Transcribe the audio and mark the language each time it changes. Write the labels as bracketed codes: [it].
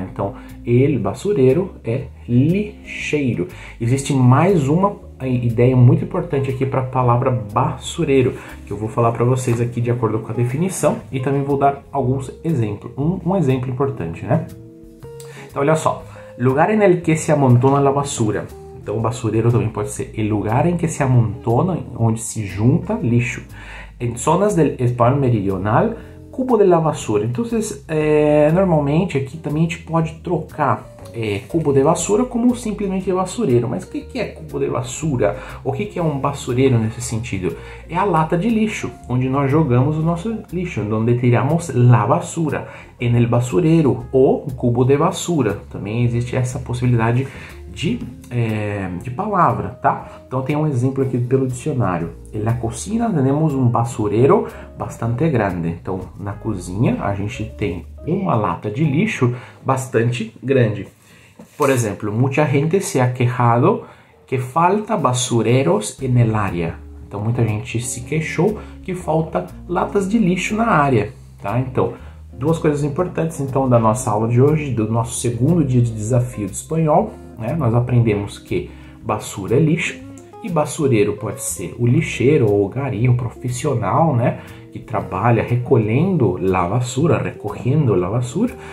[pt] Então, el basurero é lixeiro. Existe mais uma ideia muito importante aqui para a palavra basureiro, que eu vou falar para vocês aqui de acordo com a definição e também vou dar alguns exemplos. Um exemplo importante, né? Então, olha só. [es] Lugar en el que se amontona la basura. [pt] Então, basureiro também pode ser [es] el lugar en que se amontona, [pt] onde se junta lixo. [es] En zonas del España meridional, cubo de la basura. [pt] Então, normalmente aqui também a gente pode trocar cubo de basura como simplesmente basureiro. Mas o que que é cubo de basura? O que que é um basureiro nesse sentido? É a lata de lixo, onde nós jogamos o nosso lixo, onde tiramos [es] la basura, en el basurero, [pt] ou cubo de basura. Também existe essa possibilidade de palavra, tá? Então, tem um exemplo aqui pelo dicionário. [es] En la cocina tenemos un basurero bastante grande. [pt] Então, na cozinha, a gente tem uma lata de lixo bastante grande. Por exemplo, [es] mucha gente se ha quejado que falta basureros en el área. [pt] Então, muita gente se queixou que falta latas de lixo na área, tá? Então, duas coisas importantes, então, da nossa aula de hoje, do nosso segundo dia de desafio de espanhol, né? Nós aprendemos que basura é lixo E basureiro pode ser o lixeiro ou o gari, o profissional, né, que trabalha recolhendo la basura, recorrendo la basura.